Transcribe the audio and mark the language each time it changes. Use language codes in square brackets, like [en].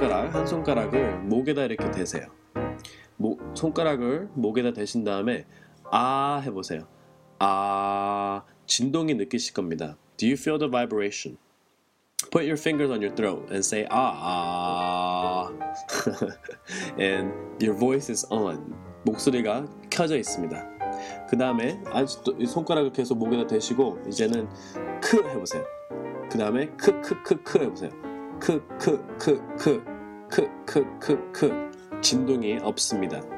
[ko] 한 손가락을 목에다 이렇게 대세요. 손가락을 목에다 대신 다음에 아 해보세요. 아, 진동이 느끼실 겁니다. [en] Do you feel the vibration? Put your fingers on your throat and say ah. And your voice is on. [ko] 목소리가 켜져 있습니다. 그 다음에 손가락을 계속 목에다 대시고 이제는 크 해보세요. 그 다음에 크크크크 해보세요. 크크크크크크크크 진동이 없습니다.